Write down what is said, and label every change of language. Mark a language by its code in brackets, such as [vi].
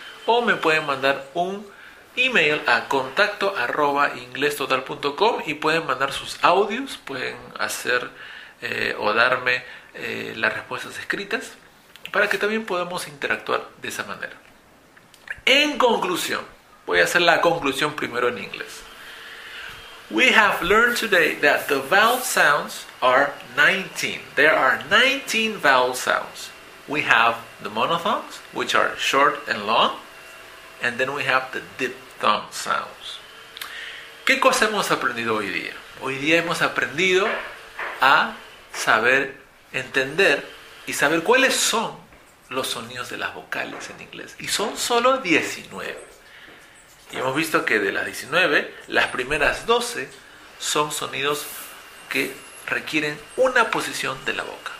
[es] O me pueden mandar un email a contacto@inglestotal.com y pueden mandar sus audios, pueden hacer o darme las respuestas escritas para que también podamos interactuar de esa manera. En conclusión, voy a hacer la conclusión primero en inglés. [en] We have learned today that the vowel sounds are 19. There are 19 vowel sounds. We have the monophthongs, which are short and long, and then we have the diphthong sounds. [es] ¿Qué cosa hemos aprendido hoy día? Hoy día hemos aprendido a saber entender y saber cuáles son los sonidos de las vocales en inglés. Y son solo 19. Y hemos visto que de las 19, las primeras 12 son sonidos que requieren una posición de la boca.